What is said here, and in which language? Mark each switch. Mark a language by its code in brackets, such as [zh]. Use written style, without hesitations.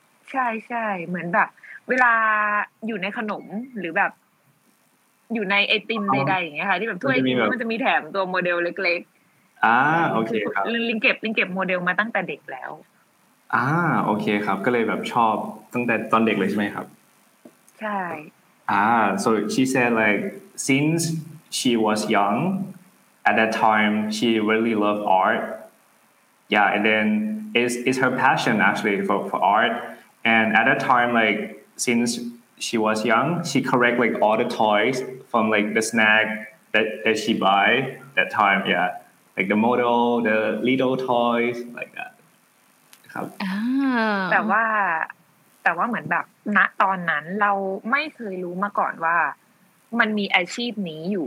[th] ใช่ๆเหมือนแบบเวลาอยู่ในขนมหรือแบบอยู่ในไอติมใดๆอย่างเงี้ยค่ะที่แบบถ้วยไอติมมันจะมีแถมตัวโมเดลเล็กๆ โอเคครับ ลิงเก็บโมเดลมาตั้งแต่เด็กแล้ว โอเคครับก็เลยแบบชอบตั้งแต่ตอนเด็กเลยใช่มั้ยครับ ใช่ [en] so she said like since she was young at that time she really loved artYeah, and then it's her passion actually for art. And at that time, like since she was young, she collect like all the toys from like the snack that she buy that time. Yeah, like the model, the little toys like that. Oh. [th] แต่ว่าเหมือนแบบณตอนนั้นเราไม่เคยรู้มาก่อนว่ามันมีอาชีพนี้อยู